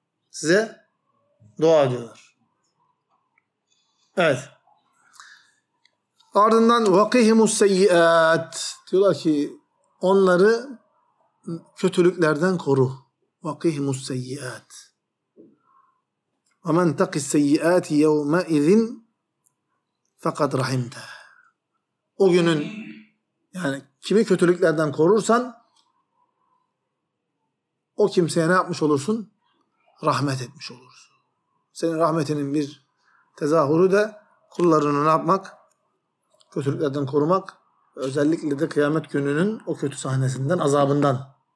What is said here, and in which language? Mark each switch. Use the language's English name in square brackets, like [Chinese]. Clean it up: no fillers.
[Turkish] Size dua ediyorlar. Evet. Ardından [Arabic] وَقِهِمُ السَّيِّئَاتِ [Turkish] diyorlar ki onları kötülüklerden koru. وَقِهِمُ السَّيِّئَاتِ [Arabic] ومن تق السيئات يومئذ فقد رحمته. [Turkish] O günün yani kimi kötülüklerden korursan o kimseye ne yapmış olursun? Rahmet etmiş olursun. Senin rahmetinin bir tezahürü de kullarını ne yapmak? Kötülüklerden korumak. Özellikle de kıyamet gününün o kötü sahnesinden, azabından.